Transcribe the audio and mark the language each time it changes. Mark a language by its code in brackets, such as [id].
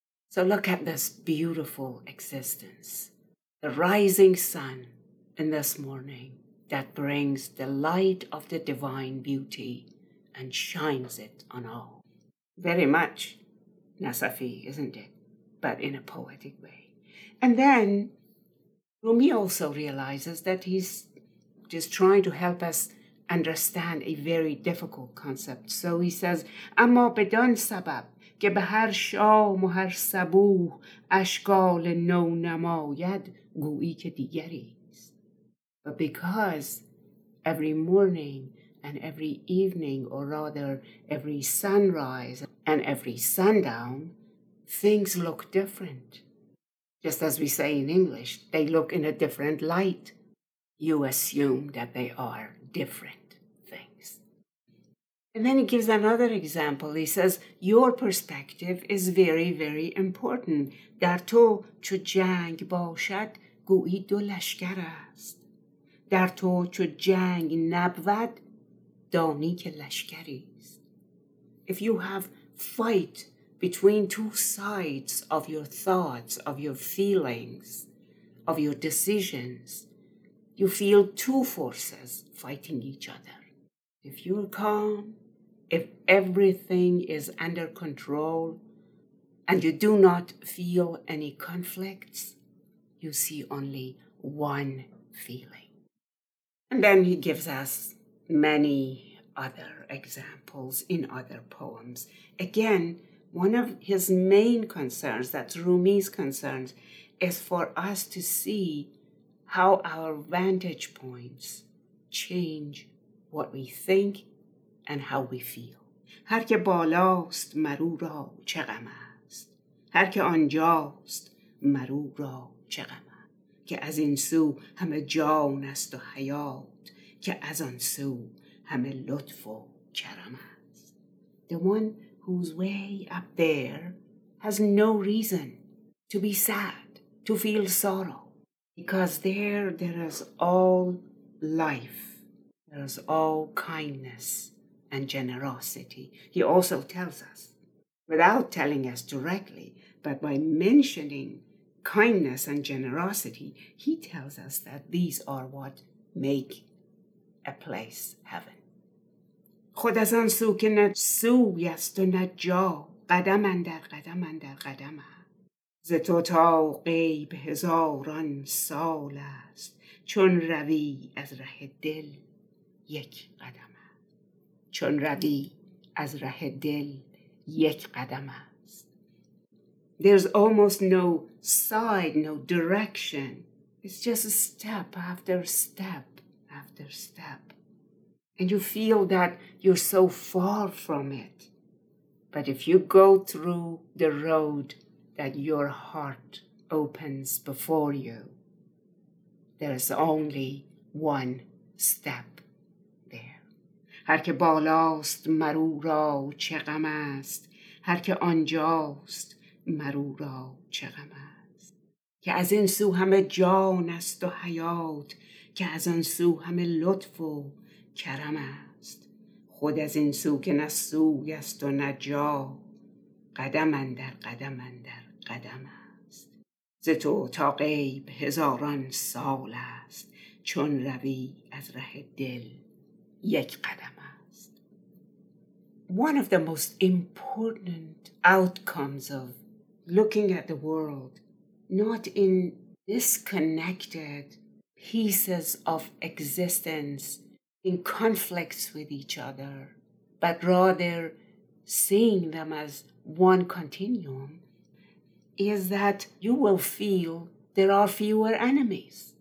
[en] So look at this beautiful existence, the rising sun in this morning, that brings the light of the divine beauty and shines it on all. Very much Nesafi, isn't it? But in a poetic way. And then Rumi also realizes that he's just trying to help us understand a very difficult concept. So he says, [fa] اما بدان سبب که به هر شام و هر صبوح اشکال نو نماید گویی که دیگری. [en] But because every morning and every evening, or rather every sunrise and every sundown, things look different. Just as we say in English, they look in a different light. You assume that they are different things. And then he gives another example. He says, your perspective is very, very important. [fa] در تو چو جنگ باشد گویی دو لشکر است. در تو چو جنگ نبود دانی که لشکری است. [en] If you have fight between two sides of your thoughts, of your feelings, of your decisions, you feel two forces fighting each other. If you're calm, if everything is under control, and you do not feel any conflicts, you see only one feeling. And then he gives us many other examples in other poems. Again, one of his main concerns, that's Rumi's concerns, is for us to see how our vantage points change what we think and how we feel. [fa] هر که بالاست مرو را چه غم است، هر که آنجاست مرو را چه غم است، که از این سو همه جان است و حیات، که از آن سو همه لطف و کرم است. [en] The one who's way up there has no reason to be sad, to feel sorrow, because there is all life, there is all kindness and generosity. He also tells us, without telling us directly, but by mentioning kindness and generosity, he tells us that these are what make a place heaven. [fa] خود از آن سو که نه سوی است و نه جا، قدم اندر قدم اندر قدم است. ز تو تا غیب هزاران سال است، چون روی از ره دل یک قدم است. چون روی از ره دل یک قدم است. [en] There's almost no side, no direction. It's just a step after step after step. And you feel that you're so far from it. But if you go through the road that your heart opens before you, there is only one step there. [fa] هر که بالاست مرو را چه غم است، هر که آنجاست مرو را چه غم است، که از این سو همه جان است و حیات، که از آن سو همه لطف و کرم است. خود از این سو که نه سوی است و نه جا، قدم اندر قدم اندر قدم است. ز تو تا غیب هزاران سال است، چون روی از ره دل یک قدم است. [en] One of the most important outcomes of looking at the world not in disconnected pieces of existence in conflicts with each other, but rather seeing them as one continuum, is that you will feel there are fewer enemies.